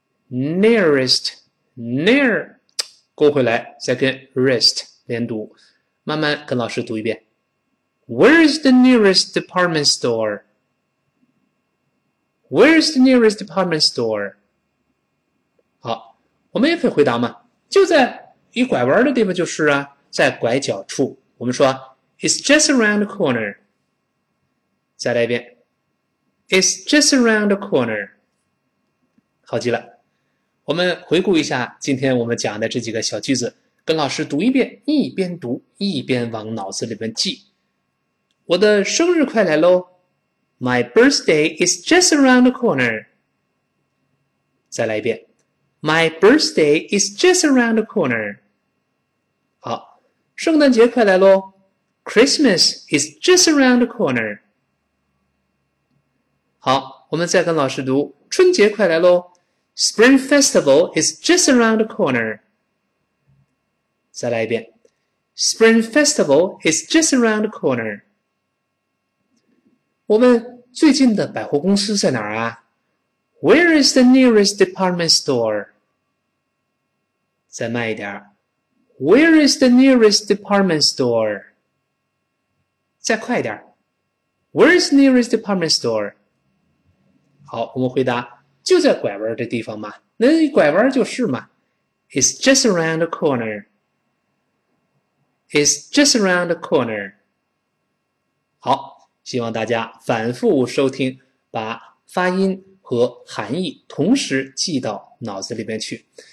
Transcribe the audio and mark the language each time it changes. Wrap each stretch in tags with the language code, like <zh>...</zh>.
<zh>nearest，nearest，near，勾回来，再跟 rest 连读，慢慢跟老师读一遍。</zh> <en>Where is the nearest department store？Where is the nearest department store？</en> <zh>好，我们也可以回答嘛，就在一拐弯的地方，就是啊，在拐角处，我们说。</zh> <en>It's just around the corner。</en> <zh>再来一遍。</zh> <en>It's just around the corner。</en> <zh>好极了。我们回顾一下今天我们讲的这几个小句子，跟老师读一遍，一边读一边往脑子里面记。我的生日快来喽！</zh> <en>My birthday is just around the corner。</en> <zh>再来一遍。</zh> <en>My birthday is just around the corner。</en> <zh>好，圣诞节快来喽！</zh> <en>Christmas is just around the corner。</en> <zh>好，我们再跟老师读，春节快来喽！</zh> <en>Spring Festival is just around the corner。</en> <zh>再来一遍，</zh> <en>Spring Festival is just around the corner。</en> <zh>我们最近的百货公司在哪儿啊？</zh> <en>Where is the nearest department store？</en> <zh>再慢一点，</zh> <en>Where is the nearest department store？</en> <zh>再快点，</zh> <en>Where's nearest department store？</en> <zh>好，我们回答就在拐弯的地方嘛，那一拐弯就是嘛。</zh> <en>It's just around the corner。 It's just around the corner。</en> <zh>好，希望大家反复收听，把发音和含义同时记到脑子里边去。</zh>